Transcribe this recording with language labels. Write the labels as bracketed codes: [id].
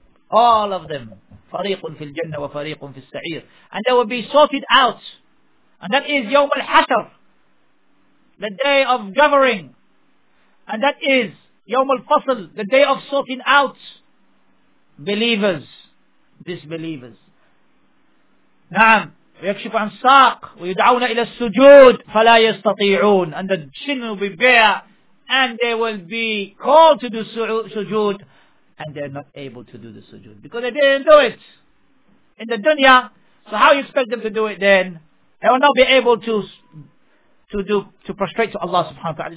[en] All of them. [ar] فَرِيقٌ فِي الْجَنَّةِ وَفَرِيقٌ فِي السَّعِيرِ. [en] And they will be sorted out. And that is يَوْمَ الْحَشَرِ. The day of governing. And that is يوم الفصل, the day of sorting out believers, disbelievers. [ar] نعم ويكشف عن ساق ويدعون إلى السجود فلا يستطيعون. [en] And the shin will be bare and they will be called to do sujood and they are not able to do the sujood because they didn't do it in the dunya. So how you expect them to do it then? They will not be able to prostrate to Allah subhanahu wa ta'ala.